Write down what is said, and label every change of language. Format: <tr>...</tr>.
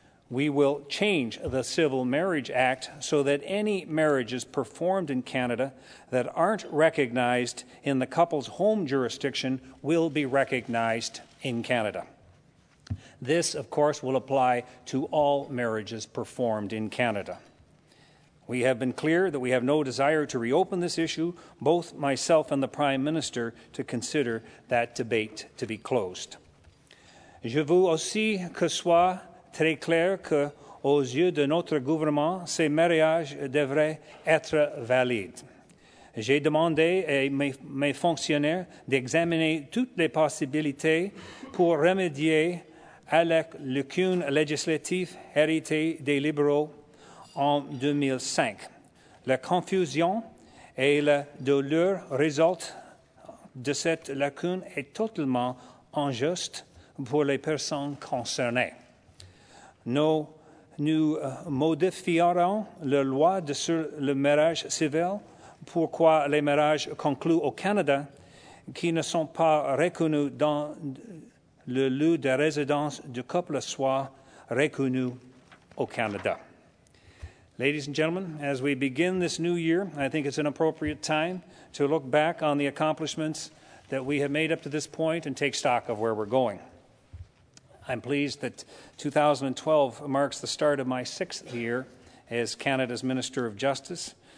<en>We will change the Civil Marriage Act so that any marriages performed in Canada that aren't recognized in the couple's home jurisdiction will be recognized in Canada. This, of course, will apply to all marriages performed in Canada. We have been clear that we have no desire to reopen this issue, both myself and the Prime Minister, to consider that debate to be closed.</en> <fr>Je veux aussi que soit très clair que, aux yeux de notre gouvernement, ces mariages devraient être valides. J'ai demandé à mes fonctionnaires d'examiner toutes les possibilités pour remédier à la lacune législative héritée des libéraux en 2005. La confusion et la douleur résultant de cette lacune est totalement injuste pour les personnes concernées. Nous modifierons la loi sur le mariage civil, pourquoi les mariages conclus au Canada qui ne sont pas reconnus dans le lieu de résidence du couple soient reconnus au Canada.</fr> <en>Ladies and gentlemen, as we begin this new year, I think it's an appropriate time to look back on the accomplishments that we have made up to this point and take stock of where we're going. I'm pleased that 2012 marks the start of my sixth year as Canada's Minister of Justice.</en>